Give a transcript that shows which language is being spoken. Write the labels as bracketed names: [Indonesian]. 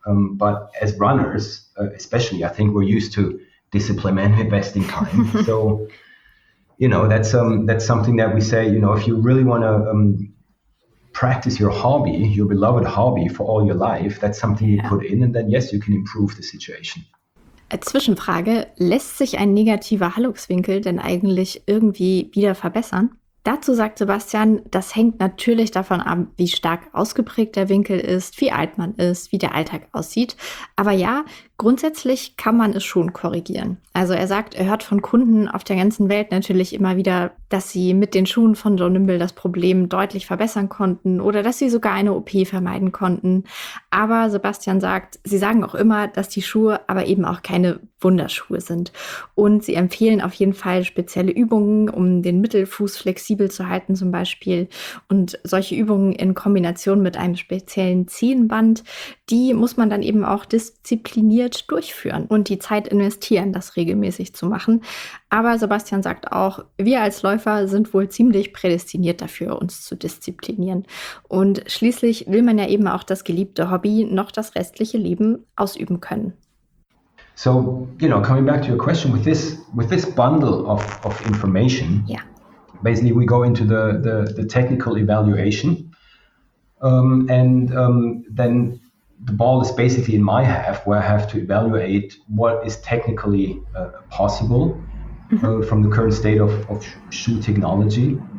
[English] But as runners, especially, I think we're used to discipline and investing time. So, you know, that's something that we say, you know, if you really want to practice your hobby, your beloved hobby for all your life, that's something you put in. And then, yes, you can improve the situation. [German] Zwischenfrage, lässt sich ein negativer Halluxwinkel denn eigentlich irgendwie wieder verbessern? Dazu sagt Sebastian, das hängt natürlich davon ab, wie stark ausgeprägt der Winkel ist, wie alt man ist, wie der Alltag aussieht. Aber ja, grundsätzlich kann man es schon korrigieren. Also er sagt, er hört von Kunden auf der ganzen Welt natürlich immer wieder, dass sie mit den Schuhen von Joe Nimble das Problem deutlich verbessern konnten oder dass sie sogar eine OP vermeiden konnten. Aber Sebastian sagt, sie sagen auch immer, dass die Schuhe aber eben auch keine Wunderschuhe sind. Und sie empfehlen auf jeden Fall spezielle Übungen, um den Mittelfuß flexibel zu halten zum Beispiel. Und solche Übungen in Kombination mit einem speziellen Zehenband, die muss man dann eben auch diszipliniert durchführen und die Zeit investieren, das regelmäßig zu machen. Aber Sebastian sagt auch, wir als Läufer sind wohl ziemlich prädestiniert dafür, uns zu disziplinieren. Und schließlich will man ja eben auch das geliebte Hobby noch das restliche Leben ausüben können. [English] So, you know, coming back to your question, with this bundle of information, basically we go into the technical evaluation, then the ball is basically in my half, where I have to evaluate what is technically possible from the current state of shoe technology.